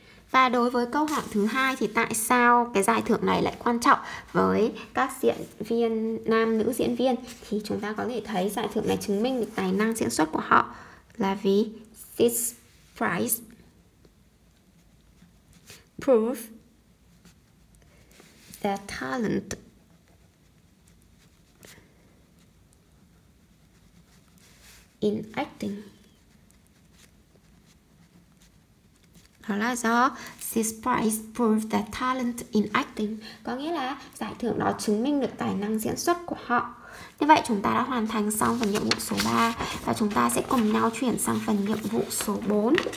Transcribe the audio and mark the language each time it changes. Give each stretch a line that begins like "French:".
Vietnamese: Và đối với câu hỏi thứ hai thì tại sao cái giải thưởng này lại quan trọng với các diễn viên nam nữ diễn viên thì chúng ta có thể thấy giải thưởng này chứng minh được tài năng diễn xuất của họ là vì
English: This prize proves their talent in acting.
Vietnamese: Đó là do
English: this prize proves their talent in acting.
Vietnamese: Có nghĩa là giải thưởng đó chứng minh được tài năng diễn xuất của họ. Như vậy chúng ta đã hoàn thành xong phần nhiệm vụ số 3 và chúng ta sẽ cùng nhau chuyển sang phần nhiệm vụ số 4.